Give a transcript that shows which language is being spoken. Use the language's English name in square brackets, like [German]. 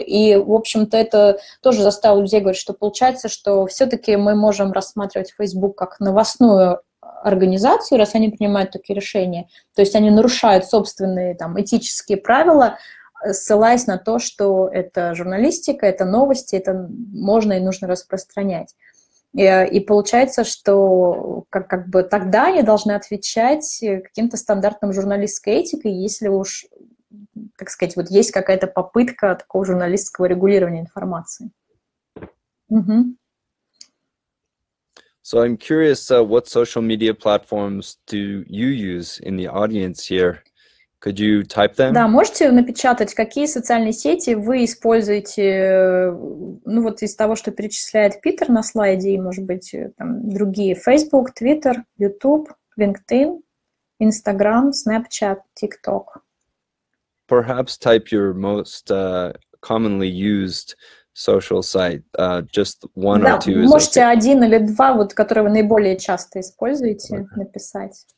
[Russian] И, в общем-то, это тоже заставило людей говорить, что получается, что все-таки мы можем рассматривать Facebook как новостную организацию, раз они принимают такие решения, то есть они нарушают собственные там этические правила, ссылаясь на то, что это журналистика, это новости, это можно и нужно распространять. И получается, что как бы тогда они должны отвечать каким-то стандартам журналистской этики, если уж, так сказать, вот есть какая-то попытка такого журналистского регулирования информации. Угу. [English] So I'm curious, what social media platforms do you use in the audience here? Could you type them? [Russian] Да, можете напечатать, какие социальные сети вы используете, ну вот из того, что перечисляет Питер на слайде, и, может быть, там другие: Facebook, Twitter, YouTube, LinkedIn, Instagram, Snapchat, TikTok. [English] Perhaps type your most commonly used social site, just one [Russian] да, [English] or two. [Russian] Да, можете okay. один или два, вот, которые вы наиболее часто используете, okay.